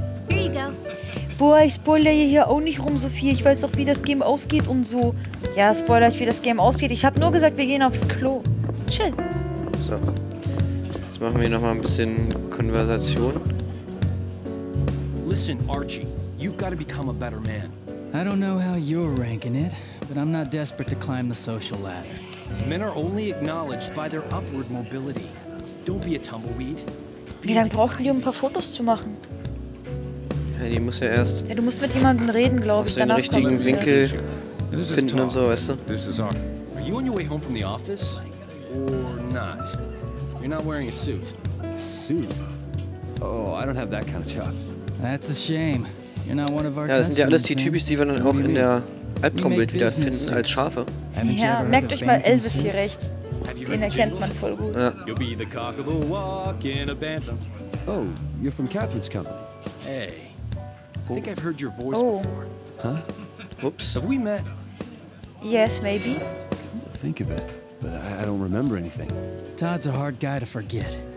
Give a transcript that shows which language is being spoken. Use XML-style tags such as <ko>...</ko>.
<en>Here you go.</en> <de>Boah, ich spoilere hier auch nicht rum, Sophie. Ich weiß doch, wie das Game ausgeht und so. Ja, spoiler ich, wie das Game ausgeht. Ich hab nur gesagt, wir gehen aufs Klo. Chill. So. Jetzt machen wir hier nochmal ein bisschen Konversation.</de> <en>Listen, Archie. You've got to become a better man. I don't know how you're ranking it, but I'm not desperate to climb the social ladder. Men are only acknowledged by their upward mobility. Don't be a tumbleweed.</en> <de>Wie lange brauchen die, um ein paar Fotos zu machen? Ja, die muss ja erst. Ja, du musst mit jemandem reden, glaube ich. Den richtigen Winkel finden und so, weißt du?</de> <en>This is our. Are you on your way home from the office or not? You're not wearing a suit. Suit? Oh, I don't have that kind of job. That's a shame.</en> <de>Ja, das sind ja alles die Typis, die wir dann auch in der Albtraumwelt wieder finden, als Schafe. Ja, merkt euch mal Elvis hier rechts. Den erkennt man voll gut. Ja.</de> <en>You'll be the cock of the walk in a bantam. Oh, you're from Catherine's company. Hey, I think I've heard your voice before. Huh? Oops. Have we met? Yes, maybe. Think of it, but I don't remember anything. Todd's a hard guy to forget.</en>